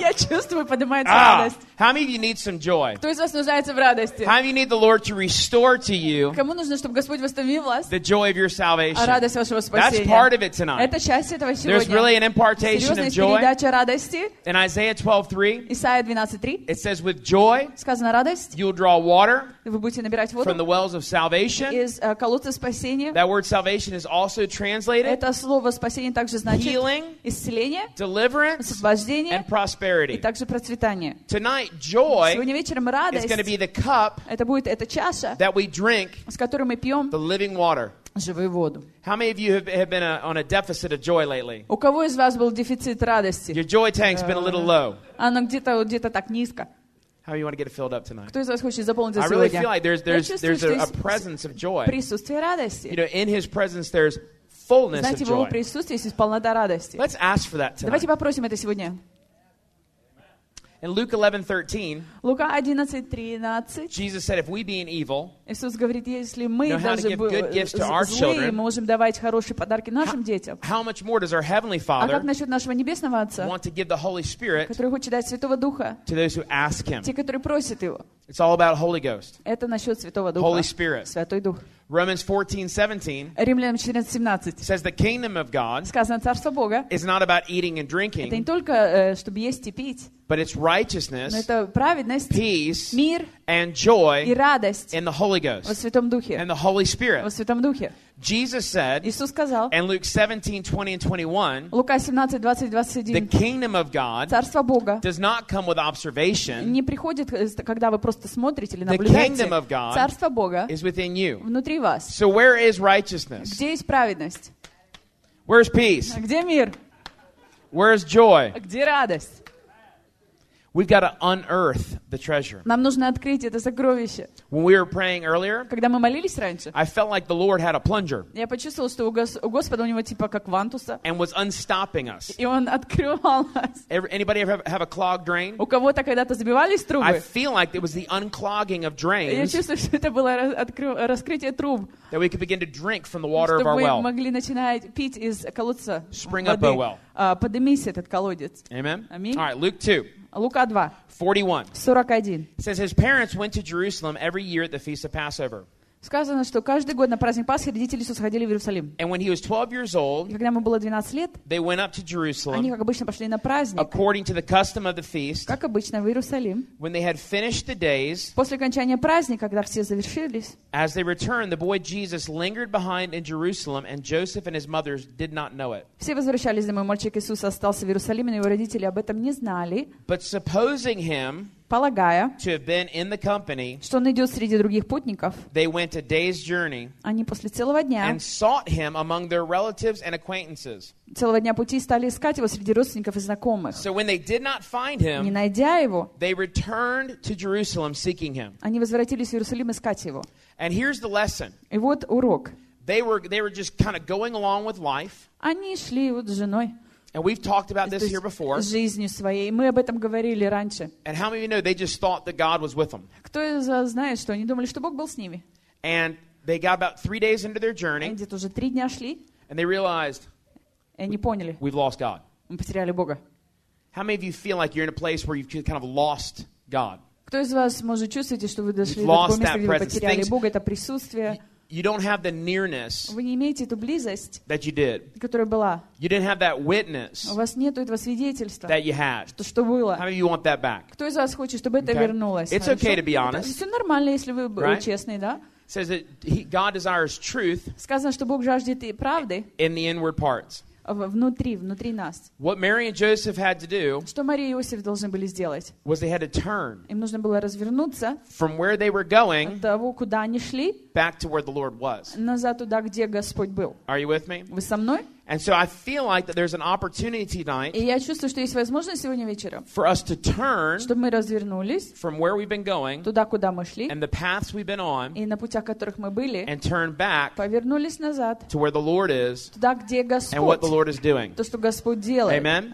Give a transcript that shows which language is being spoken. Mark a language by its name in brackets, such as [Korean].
[Russian] Я чувствую, поднимается радость. [English] How many of you need some joy? [Russian] Кто из вас нуждается в радости? [English] How many of you need the Lord to restore to you? [Russian] Кому нужно, чтобы Господь восстановил вас? [English] The joy of your salvation. [Russian] Радость вашего спасения. [English] That's part of it tonight. [Russian] Это часть этого сегодня. [English] There's really an impartation of joy. [Russian] Серьезная передача радости. [English] In Isaiah 12:3. [Russian] Исаия 12:3. [English] It says, "With joy." [Russian] Сказано радость. [English] You'll draw water. [Russian] Вы будете набирать воду. [English] From the wells of salvation. [Russian] Из колодца спасения. [English] That word salvation is also translated. [Russian] Это слово спасение также значит. [English] Healing. healing, [Russian] исцеление, [English] deliverance, [Russian] освобождение, [English] and prosperity. [Russian] И также процветание. [English] Tonight, joy, [Russian] сегодня вечером радость, [English] is going to be the cup, [Russian] это будет эта чаша, [English] that we drink, [Russian] с которой мы пьем, [English] the living water. [Russian] Живую воду. [English] How many of you have been on a deficit of joy lately? [Russian] У кого из вас был дефицит радости? [English] Your joy tank's been a little low. [Russian] Оно где-то так низко. [English] How you want to get it filled up tonight? [Russian] Кто из вас хочет заполнить сегодня? [English] I really feel like there's a presence of joy. [Russian] Присутствие радости. [English] You know, in His presence there's fullness [Russian] Знаете, в Его присутствии есть полнота радости. [English] Let's ask for that tonight. [Russian] Давайте попросим это сегодня. [English] In Luke 11:13, Jesus said, "If we being evil, [Russian] Иисус говорит, если мы даже злые, можем давать хорошие подарки нашим детям, [English] how much more does our heavenly Father, [Russian] а как насчет нашего небесного Отца, [English] want to give the Holy Spirit, [Russian] который хочет дать Святого Духа, [English] to those who ask Him, [Russian] те, которые просят Его? [English] It's all about Holy Ghost. [Russian] Это насчет Святого Духа, [English] Holy Spirit, [Russian] Святой Дух." [English] Romans 14:17 says the kingdom of God is not about eating and drinking, but it's righteousness, peace, [Russian] мир, [English] and joy in the Holy Ghost and the Holy Spirit. Jesus said [Russian] сказал, [English] in Luke 17:20-21, the kingdom of God does not come with observation. The kingdom of God is within you. So where is righteousness? [Russian] Где есть праведность? [English] Where's peace? [Russian] Где мир? [English] Where's joy? [Russian] Где радость? [English] We've got to unearth the treasure. [Russian] Нам нужно открыть это сокровище. [English] When we were praying earlier, [Russian] когда мы молились раньше, [English] I felt like the Lord had a plunger. [Russian] Я почувствовал, что у Господа у него типа как вантуса. [English] And was unstopping us. [Russian] И он открывал нас. [English] Anybody ever have a clogged drain? [Russian] У кого-то когда-то забивались трубы? [English] I feel like it was the unclogging of drains. [Russian] Я чувствую, что это было раскрытие труб. [English] That we could begin to drink from the water of our well. [Russian] Чтобы мы могли начинать пить из колодца. [English] Spring up, O well. [Russian] Поднимись этот колодец. [English] Amen. [Russian] Аминь. [English] All right, Luke 2. [Russian] Лука 2, 41. [English] Says his parents went to Jerusalem every year at the Feast of Passover. [Russian] Сказано, что каждый год на праздник Пасхи родители Иисуса ходили в Иерусалим. [English] And when he was 12 years old, [Russian] когда ему было 12 лет, [English] they went up to Jerusalem, [Russian] они, как обычно, пошли на праздник, [English] according to the custom of the feast, [Russian] как обычно, в Иерусалим. [English] When they had finished the days, [Russian] после окончания праздника, когда все завершились, [English] as they returned, the boy Jesus lingered behind in Jerusalem, and Joseph and his mother did not know it. [Russian] Все возвращались домой, мальчик Иисус остался в Иерусалиме, но его родители об этом не знали. [English] But supposing him, [Russian] полагая, [English] to have been in the company, [Russian] что он идет среди других путников, [English] they went a day's journey, [Russian] они после целого дня, [English] and sought him among their relatives and acquaintances. [Russian] Целого дня пути стали искать его среди родственников и знакомых. [English] So when they did not find him, [Russian] не найдя его, [English] they returned to Jerusalem seeking him. [Russian] Они возвратились в Иерусалим искать его. [English] And here's the lesson. [Russian] И вот урок. [English] They were just kind of going along with life. [Russian] Они шли вот с женой. [English] And we've talked about this here before. [Russian] Жизнью своей. Мы об этом говорили раньше. [English] And how many of you know they just thought that God was with them? [Russian] Кто из вас знает, что они думали, что Бог был с ними? [English] And they got about 3 days into their journey. [Russian] Они где-то уже 3 дня шли. [English] And they realized. [Russian] И они поняли. [English] We've lost God. [Russian] Мы потеряли Бога. [English] How many of you feel like you're in a place where you've kind of lost God? [Russian] Кто из вас может чувствовать, что вы дошли до такого места, где вы потеряли [English] things, [Russian] Бога? Это присутствие. [English] You don't have the nearness [Russian] вы не имеете ту близость, [English] that you did. [Russian] Которая была. [English] You didn't have that witness [Russian] у вас нету этого свидетельства, [English] that you had. [Russian] Что было. [English] How many of you want that back? [Russian] Кто из вас хочет, чтобы это вернулось? [English] It's okay to be honest. [Russian] Все нормально, если вы честны, да? [English] Says that God desires truth, [Russian] сказано, что Бог жаждет и правды, [English] in the inward parts. [Russian] Внутри нас. [English] What Mary and Joseph had to do, [Russian] что Мария и Иосиф должны были сделать, [English] was they had to turn, [Russian] им нужно было развернуться, [English] from where they were going, [Russian] от того, куда они шли, [English] back to where the Lord was, [Russian] назад туда, где Господь был. [English] Are you with me? [Russian] Вы со мной? [English] And so I feel like that there's an opportunity tonight, [Russian] и я чувствую, что есть возможность сегодня вечером, [English] for us to turn, [Russian] чтобы мы развернулись, [English] from where we've been going, [Russian] туда, куда мы шли, [English] and the paths we've been on, [Russian] и на путях, которых мы были, [English] and turn back, [Russian] повернулись назад, [English] to where the Lord is, [Russian] туда, где Господь, [English] and what the Lord is doing. [Russian] То, что Господь делает. [English] Amen.